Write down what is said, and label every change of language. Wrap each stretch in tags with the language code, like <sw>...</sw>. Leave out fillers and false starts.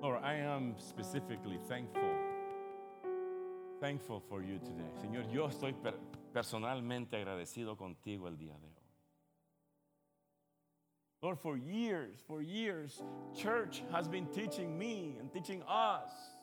<en>Lord, I am specifically thankful for you today.</en> <es>Señor, yo estoy personalmente agradecido contigo el día de hoy.</es> <en>Lord, for years, church has been teaching me and teaching us</en>